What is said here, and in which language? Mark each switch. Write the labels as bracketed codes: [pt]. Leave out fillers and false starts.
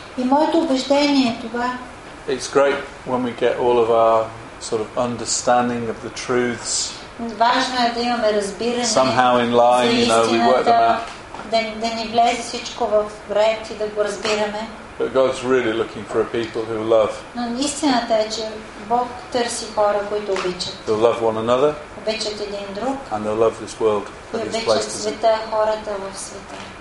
[bg] И моето убеждение е това. [en] It's great when we get all of our sort of understanding of the truths. [bg] Важно е да имаме разбиране. [en] Somehow in line, you know, we work them out. [bg] Да ни влезе всичко в ред и да го разбираме. [en] But God's really looking for a people who love. [bg] Но истината е, че Бог търси хора, които обичат. [en] They love one another. [bg] Обичат един друг. [en] And they love this world. [bg] Обичат света, хората в света.